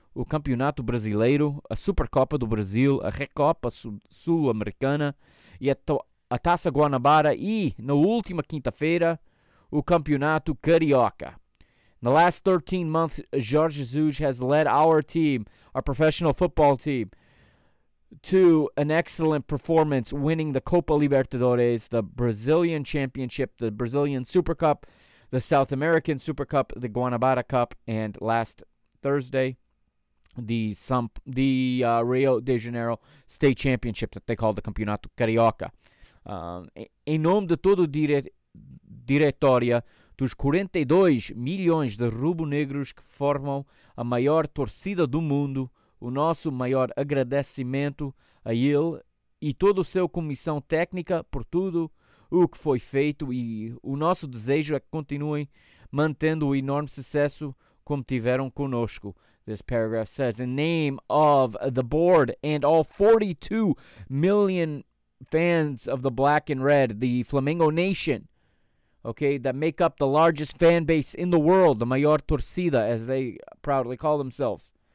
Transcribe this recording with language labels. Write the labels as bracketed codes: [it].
[pt] o Campeonato Brasileiro, a Supercopa do Brasil, a Recopa Sul-Americana e a Taça Guanabara e, na última quinta-feira, o Campeonato Carioca. [en] In the last 13 months, Jorge Jesus has led our team, our professional football team, to an excellent performance, winning the Copa Libertadores, the Brazilian Championship, the Brazilian Super Cup, the South American Super Cup, the Guanabara Cup, and last Thursday, the Rio de Janeiro State Championship that they call the Campeonato Carioca. [pt] Em nome de toda a diretoria, dos 42 milhões de rubro-negros que formam a maior torcida do mundo, o nosso maior agradecimento a ele e toda a sua comissão técnica por tudo o que foi feito e o nosso desejo é que continuem mantendo o enorme sucesso como tiveram conosco. [en] This paragraph says, in name of the board and all 42 million fans of the black and red, the Flamengo Nation, okay, that make up the largest fan base in the world, the maior torcida, as they proudly call themselves.